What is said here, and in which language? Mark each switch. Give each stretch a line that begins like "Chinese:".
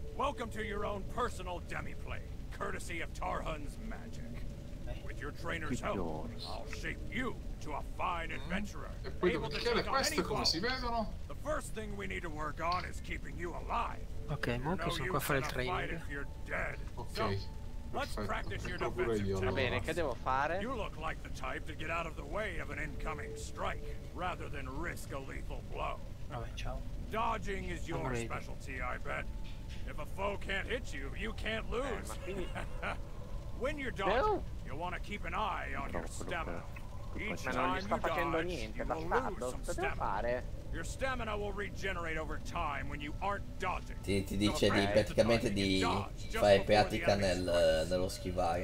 English: Welcome to your own personal demiplane, courtesy of Tarhun's magic. With your trainer's help, I'll shape you to a fine adventurer.
Italian: E poi devo chiedere queste come si vedono?
English: The first thing we need to work on is keeping you alive.
Italian: Ok, molto sono qua a fare il training.
English: Ok. Let's practice your defensive tactics.
Italian: Va bene, che devo fare?
English: You look like the type to get out of the way of an incoming strike rather than risk a lethal blow.
Italian: Vabbè, ciao.
English: Dodging is your specialty, I bet. If a foe can't hit you, you can't lose. When you're dodging, you want to keep an eye on your stamina. Each time you dodge, you will lose some stamina. Your stamina will regenerate over time when you aren't dodging.
Italian: Ti dice di praticamente di fare pratica nello schivare.